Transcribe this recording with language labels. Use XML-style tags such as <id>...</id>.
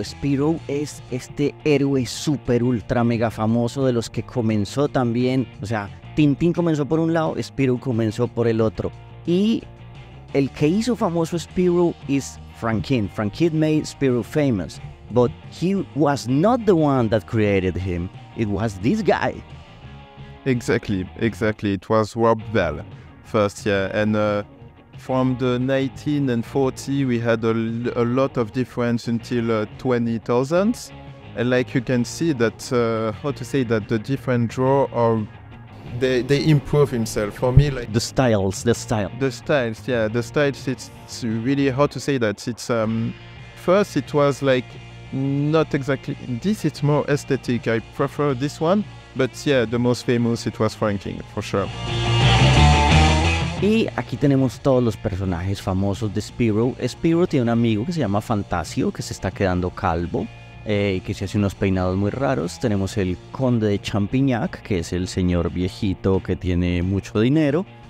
<es>Spiro es este héroe super ultra mega famoso de los que comenzó también. O sea, Tintín comenzó por un lado, Spiro comenzó por el otro. Y el que hizo famoso Spiro es Frank Kid.</es> <en>Frank Kid made Spiro famous, but he was not the one that created him. It was this guy. Exactly. It was Rob Bell first, yeah. And from the 1940, we had a lot of difference until 2000. And like you can see that, the different draw are, they improve himself. For me, like... The styles, it's really, how to say that? It's, first it was like, not exactly, this is more aesthetic, I prefer this one. But yeah, the most famous it was Frank King, for sure.</en> <es>Y aquí tenemos todos los personajes famosos de Spiro. Spiro tiene un amigo que se llama Fantasio, que se está quedando calvo. Que se hace unos peinados muy raros. Tenemos el conde de Champignac, que es el señor viejito que tiene mucho dinero.</es>